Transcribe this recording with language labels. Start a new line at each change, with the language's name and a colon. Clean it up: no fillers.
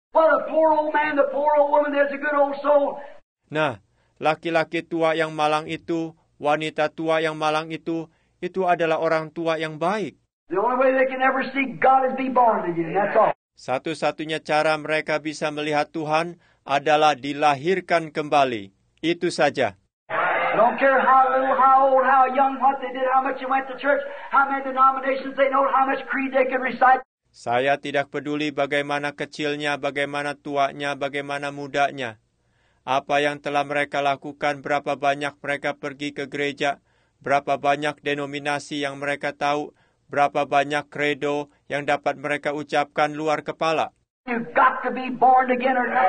English: Well, the poor old man, the poor old woman, there's a good old soul.
Indonesian: Nah, laki-laki tua yang malang itu, wanita tua yang malang itu adalah orang tua yang baik.
English: The only way they can ever see God is be born again. That's all.
Indonesian: Satu-satunya cara mereka bisa melihat Tuhan adalah dilahirkan kembali. Itu saja.
English: I don't care how little, how old, how young, what they did, how much they went to church, how many denominations they know, how much creed they can recite.
Indonesian: Saya tidak peduli bagaimana kecilnya, bagaimana tuanya, bagaimana mudanya. Apa yang telah mereka lakukan, berapa banyak mereka pergi ke gereja, berapa banyak denominasi yang mereka tahu, berapa banyak credo yang dapat mereka ucapkan luar kepala.
English: You've got to be born again or